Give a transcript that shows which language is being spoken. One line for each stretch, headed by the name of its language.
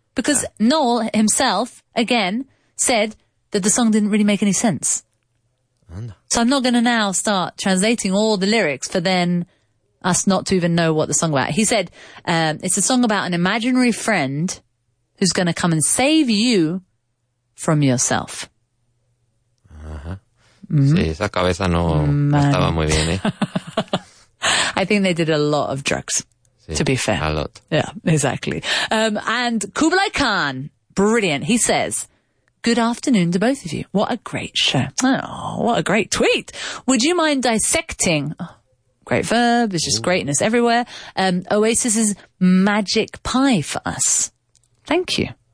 English: Because yeah, Noel himself, again, said that the song didn't really make any sense.
Spanish: Anda.
English: So I'm not going to now start translating all the lyrics for then us not to even know what the song about. He said, it's a song about an imaginary friend who's going to come and save you from yourself. Uh-huh.
Spanish: Mm-hmm. Sí, esa cabeza no, no estaba muy bien, ¿eh?
English: I think they did a lot of drugs,
Spanish: sí,
English: to be fair. A lot. Yeah, exactly. And Kublai Khan, brilliant. He says, good afternoon to both of you. What a great show. Oh, what a great tweet. Would you mind dissecting, oh, great verb, it's just ooh, greatness everywhere, Oasis's magic pie for us? Thank you.